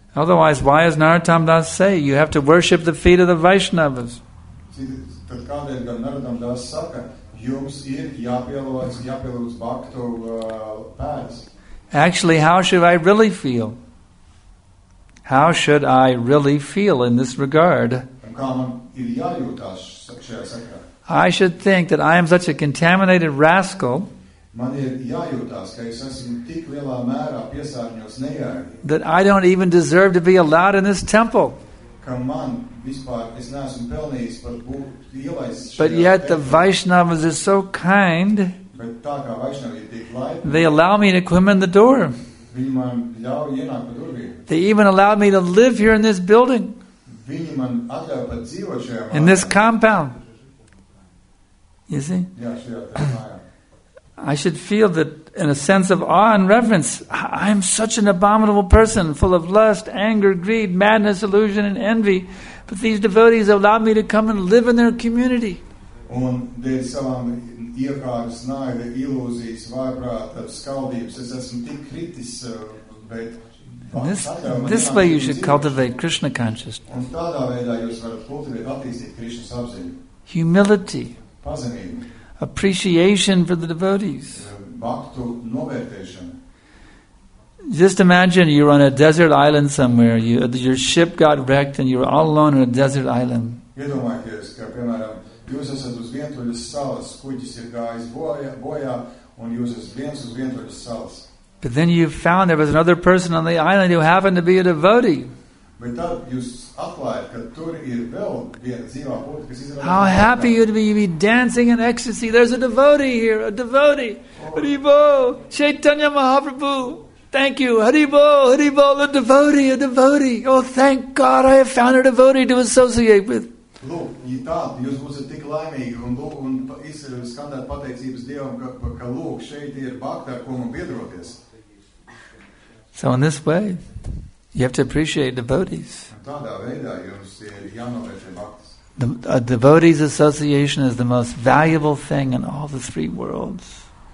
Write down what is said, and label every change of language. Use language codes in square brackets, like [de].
[en] Otherwise, why does Narottam Das say, you have to worship the feet of the Vaishnavas? [lv] Tad kādēļ gan Narottam Das saka, jums ir jāpilūz bhaktu pēdas? [en] Actually, how should I really feel? How should I really feel in this regard? [lv] Un kā man ir jājūtās šajā sakarā? [en] I should think that I am such a contaminated rascal. [lv] Man ir jājūtās, ka es esmu tik lielā mērā piesārņots nejērgi. [en] That I don't even deserve to be allowed in this temple. [lv] Ka man vispār, es neesmu pelnījis par būt ielaists šajā temple. [en] But yet the Vaishnavas is so kind. [lv] Bet tā kā Vaishnavi ir tik laipni. [en] They allow me to come in the door. [lv] Viņi man ļauj ienākt pa durvīm. [en] They even allow me to live here in this building. [lv] Viņi man atļauj pat dzīvot šajā mājā. [en] In this compound. You see? [lv] Jā, šajā mājā. [en] I should feel that in a sense of awe and reverence, I am such an abominable person, full of lust, anger, greed, madness, illusion, and envy. But these devotees allowed me to come and live in their community. [lv] Un dēļ savām iekārtas naida, ilūzijas, vaiprāta, skaldības, es esmu tik kritis, bet... [en] This way you should cultivate Krishna consciousness. [lv] Un tādā veidā jūs varat kultivēt, attīstīt Krishna apziņu. [en] Humility. [lv] Pazemību. [en] Appreciation for the devotees. [lv] Bhaktu novērtēšana. [en] Just imagine you're on a desert island somewhere. Your ship got wrecked and you're all alone on a desert island. [lv] Iedomājieties, ka, piemēram, jūs esat uz vientuļas salas, kuģis ir gājis bojā, un jūs esat viens uz vientuļas salas. [en] But then you found there was another person on the island who happened to be a devotee. [lv] Bet tad jūs atklājat, ka tur ir vēl viena dzīvā būtne, kas izrādās. [en] How happy you'd be, you'd be dancing in ecstasy. There's a devotee here, a devotee. Haribo, Chaitanya Mahaprabhu. Thank you. Haribo, Haribo, a devotee, a devotee. Oh, thank God I have found a devotee to associate with. [lv] Lūk, tā, jūs būsat tik laimīgi un skandāt pateicības Dievam, ka lūk, šeit ir bhakta, ar ko man biedroties. [en] So in this way, you have to appreciate devotees. A devotees association is the most valuable thing in all the three worlds.